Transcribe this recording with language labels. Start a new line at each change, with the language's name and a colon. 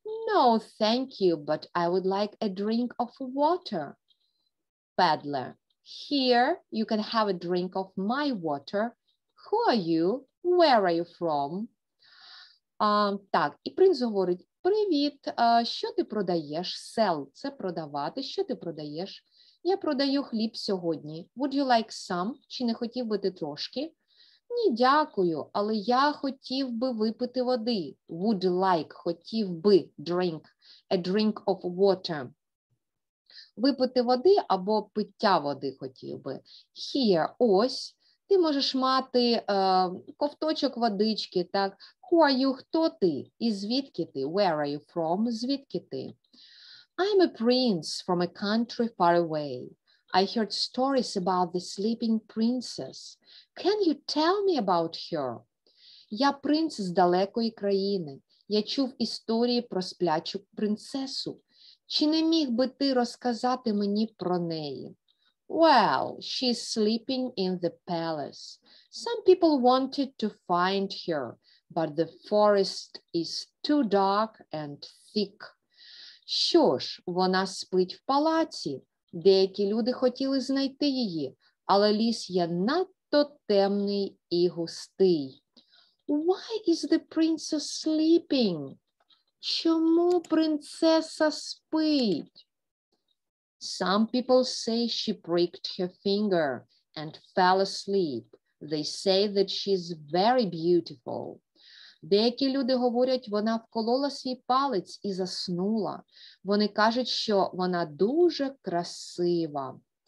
English: No, thank you, but I would like a drink of water. Peddler, here you can have a drink of my water. Who are you? Where are you from?
Ukrainian: Так, і принц говорить, привіт, що ти продаєш? Sell – це продавати. Що ти продаєш? Я продаю хліб сьогодні.
English: Would you like some?
Ukrainian: Чи не хотів би ти трошки? Ні, дякую, але я хотів би випити води.
English: Would like,
Ukrainian: хотів би
English: drink, a drink of water.
Ukrainian: Випити води або пиття води хотів би. Here, ось, ти можеш мати ковточок водички, так?
English: Who are you,
Ukrainian: хто ти? І звідки ти?
English: Where are you from?
Ukrainian: Звідки ти?
English: I'm a prince from a country far away. I heard stories about the sleeping princess. Can you tell me about her?
Ukrainian: Я принц з далекої країни. Я чув історії про сплячу принцесу. Чи не міг би ти розказати мені про неї?
English: Well, she's sleeping in the palace. Some people wanted to find her, but the forest is too dark and thick.
Ukrainian: Що ж, вона спить в палаці. Деякі люди хотіли знайти її, але ліс є надто темний і густий.
English: Why is the princess sleeping?
Ukrainian: Чому принцеса спить?
English: Some people say she pricked her finger and fell asleep. They say that she's very beautiful.
Ukrainian: Деякі люди говорять, вона вколола свій палець і заснула. Вони кажуть, що вона дуже красива.